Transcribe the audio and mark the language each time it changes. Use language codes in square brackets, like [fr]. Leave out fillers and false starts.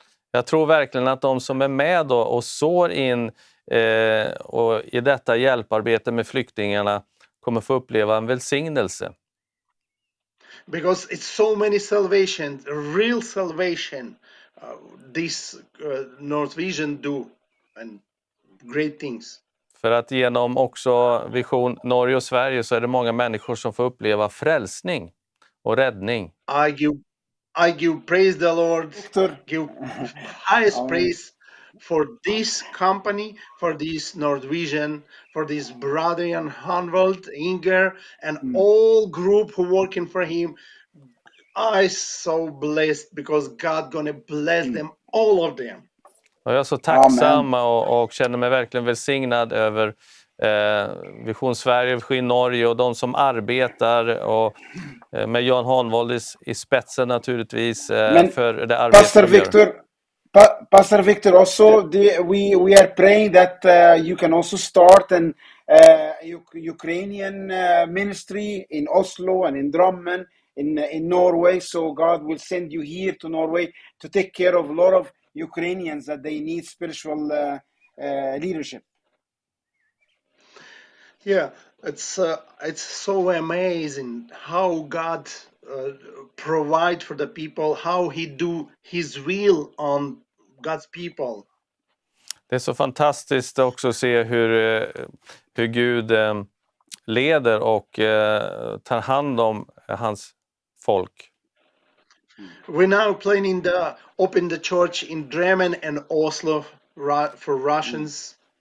[sv] jag tror verkligen att de som är med och sår in och i detta hjälparbete med flyktingarna kommer få uppleva en välsignelse. [en] Because it's so many salvation, real salvation this North Vision do and great things. [sv] För att genom också Vision Norge och Sverige så är det många människor som får uppleva frälsning och räddning. [en] I give praise the Lord. Give highest praise for this company, for this North Vision, for this brother Jan Hanvold, Inger and all group who working for him. I so blessed because God gonna bless them, all of them. [sv] Och jag är så tacksam och känner mig verkligen välsignad över Vision Sverige, Vision Norge och de som arbetar och med Jan Hanvold i spetsen naturligtvis för det arbetet. [en] Pastor Victor also we are praying that you can also start an Ukrainian ministry in Oslo and in Drammen in Norway, so God will send you here to Norway to take care of a lot of Ukrainians that they need spiritual leadership. Yeah, it's so amazing how God provide for the people, how he do his will on God's people. [sv] Det är så fantastiskt också att se hur Gud leder och tar hand om hans folk. [en] We now planning to open the church in Drammen and Oslo for Russians.